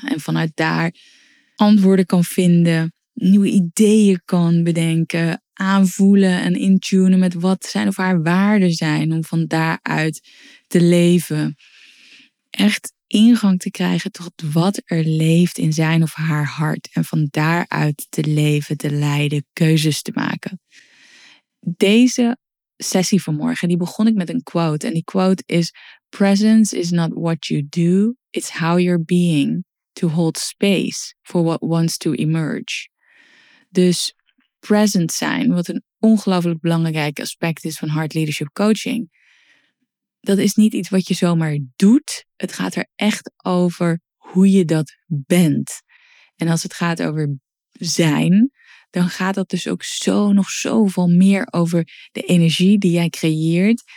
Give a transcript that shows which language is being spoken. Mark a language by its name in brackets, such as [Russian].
[Dutch] En vanuit daar antwoorden kan vinden, nieuwe ideeën kan bedenken, aanvoelen en intunen met wat zijn of haar waarden zijn om van daaruit te leven. Echt ingang te krijgen tot wat er leeft in zijn of haar hart en van daaruit te leven, te leiden, keuzes te maken. Deze sessie vanmorgen, die begon ik met een quote. En die quote is: [English] presence is not what you do, it's how you're being to hold space for what wants to emerge. [Dutch] Dus present zijn, wat een ongelooflijk belangrijk aspect is van Heart Leadership Coaching. Dat is niet iets wat je zomaar doet. Het gaat er echt over hoe je dat bent. En als het gaat over zijn, dan gaat dat dus ook zo nog zoveel meer over de energie die jij creëert.